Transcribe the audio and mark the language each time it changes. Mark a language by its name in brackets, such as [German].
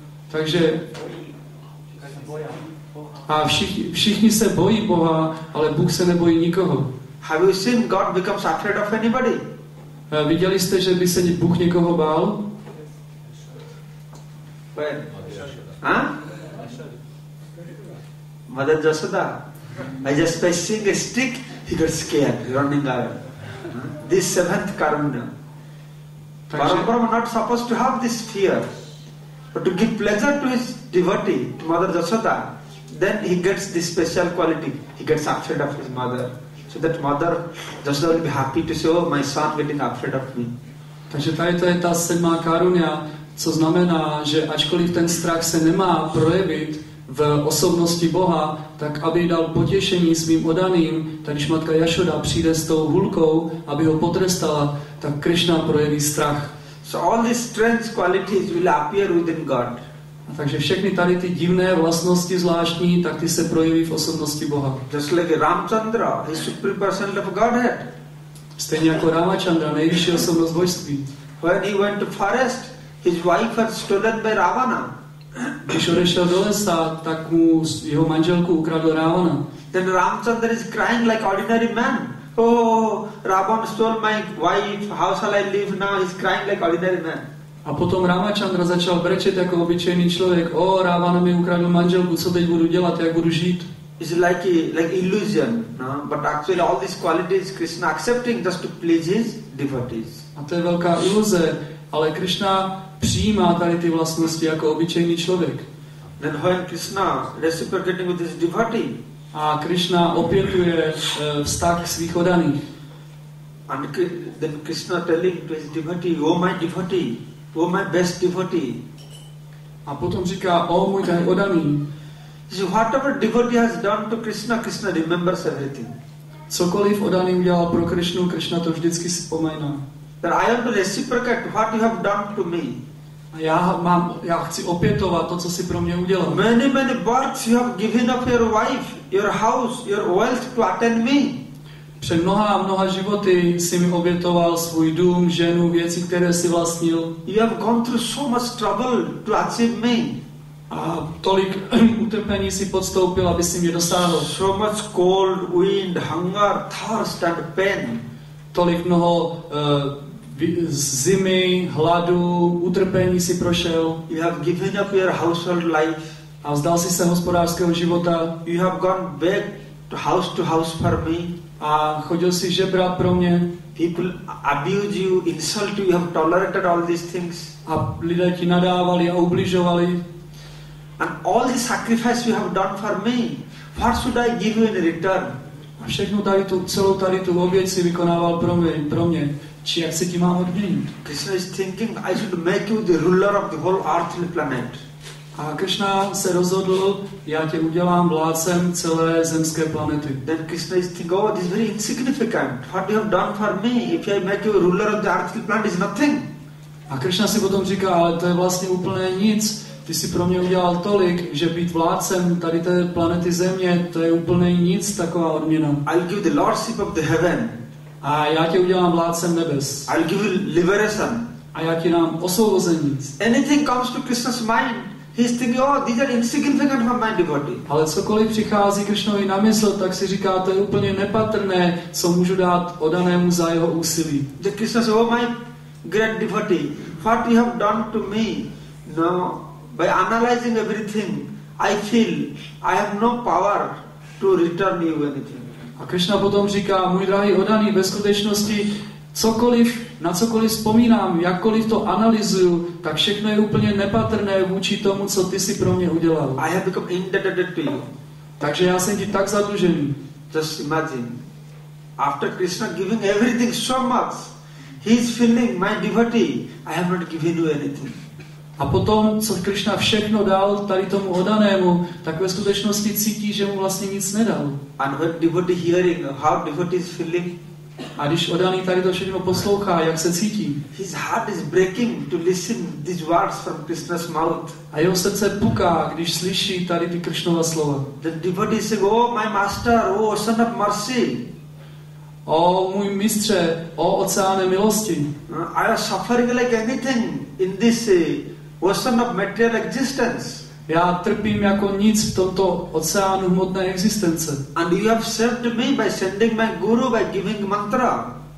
[Czech] Takže a všichni se bojí Boha, ale Bůh se nebojí nikoho. [English] Have you seen God becomes afraid of anybody? [Czech] Viděli jste, že by se Bůh někoho bál? [English] When? Huh? Mother Jasoda. I just by seeing a stick, he got scared, running away. This seventh karma. Parabrahma not supposed to have this fear. But to give pleasure to his devotee, to Mother Jasoda, then he gets this special quality. He gets afraid of his mother. So that mother just will be happy to say, oh, my son getting afraid of me. [Czech] Takže tady to je ta sedmá karunia, co znamená, že ačkoliv ten strach se nemá projevit v osobnosti Boha, tak aby dal potěšení svým odaným, tak když matka Jašoda přijde s tou hulkou, aby ho potrestala, tak Krishna projeví strach. [English] So all these strange qualities will appear within God. [Czech] A takže všechny tady ty divné vlastnosti zvláštní, tak ty se projeví v osobnosti Boha. [English] Just like Ramchandra, the supreme person of Godhead. [Czech] Stejně jako Ramachandra, nejvyšší osobnost božství. [English] When he went to forest, his wife was stolen by Ravana. [Czech] Když odešel do lesa, tak mu jeho manželku ukradl Ravana. [English] Then Ramchandra is crying like ordinary man. Oh, Ravana stole my wife, how shall I live now? He's crying like ordinary man. [Czech] A potom Ramachandra začal brečet jako obyčejný člověk. O, Ravana mi ukradl manželku, co teď budu dělat, jak budu žít? [English] It's like illusion, no? But actually all these qualities Krishna accepting just to please his devotees. [Czech] A to je velká iluze, ale Krishna přijímá tady ty vlastnosti jako obyčejný člověk. [English] Then when Krishna reciprocating with his devotee. [Czech] A Krishna opětuje vztah svých odaných. [English] And then Krishna telling to his devotee, oh my devotee, O my best devotee. [Czech] A potom říká, o můj tady odaný. [English] So whatever devotee has done to Krishna, Krishna remembers everything. [Czech] Cokoliv odaný udělal pro Krishnu, Krishna to vždycky vzpomíná. [English] That I am to reciprocate what you have done to me. [Czech] A já chci opětovat to, co si pro mě udělal. [English] Many, many births you have given up your wife, your house, your wealth to attend me. [Czech] Před mnoha a mnoha životy jsi mi obětoval svůj dům, ženu, věci, které jsi vlastnil. [English] You have gone through so much trouble to achieve me. [Czech] A tolik utrpení jsi podstoupil, aby jsi mě dosáhl. [English] So much cold, wind, hunger, thirst and pain. [Czech] Tolik mnoho zimy, hladu, utrpení jsi prošel. [English] You have given up your household life. [Czech] A vzdal jsi se hospodářského života. [English] You have gone back to house for me. [Czech] A chodil si žebrat pro mě. [English] People abuse you, insult you, you have tolerated all these things. [Czech] A lidé ti nadávali a ubližovali. [English] And all the sacrifice you have done for me, what should I give you in return? [Czech] A všechnu tady tu, celou tady tu oběť si vykonával pro mě. Či jak se ti mám odměnit? [English] Krishna is thinking, I should make you the ruler of the whole earthly planet. [Czech] A Krishna se rozhodl, já tě udělám vládcem celé zemské planety. [English] Then Krishna is thinking, oh, this is very insignificant. What you have done for me, if I make you ruler of the earthly planet, is nothing. [Czech] A Krishna si potom říká, ale to je vlastně úplně nic. Ty jsi pro mě udělal tolik, že být vládcem tady té planety Země, to je úplně nic, taková odměna. [English] I'll give the lordship of the heaven. [Czech] A já tě udělám vládcem nebes. [English] I'll give you liberation. [Czech] A já ti dám osvobození. [English] Anything comes to Krishna's mind. He's thinking, oh, these are insignificant for my devotee. [Czech] Ale cokoliv přichází Krishnovi na mysl, tak si říká, to je úplně nepatrné, co můžu dát odanému za jeho úsilí. [English] The Krishna says, oh, my great devotee, what you have done to me, no, by analyzing everything, I feel I have no power to return you anything. [Czech] A Krishna potom říká, můj drahý odaný, ve skutečnosti, cokoliv, na cokoliv vzpomínám, jakkoliv to analyzuju, tak všechno je úplně nepatrné vůči tomu, co ty si pro mě udělal. [English] I have become indebted to you. [Czech] Takže já jsem ti tak zadlužený. [English] Just imagine, after Krishna giving everything so much, he is feeling, my devotee, I have not given you anything. [Czech] A potom, co Krishna všechno dal tady tomu odanému, tak ve skutečnosti cítí, že mu vlastně nic nedal. [English] And when devotee hearing how devotee is feeling, [Czech] a když odaný tady to všechno poslouchá, jak se cítí? [English] His heart is breaking to listen these words from Krishna's mouth. [Czech] A jeho srdce puká, když slyší tady ty Krishnova slova. [English] The devotee says, "Oh, my master, oh, son of mercy." [Czech] O můj mistře, o oceáne milosti. [English] I am suffering like anything in this ocean of material existence. [Czech] Já trpím jako nic v tomto oceánu hmotné existence. [English] And you have served me by sending my guru by giving mantra.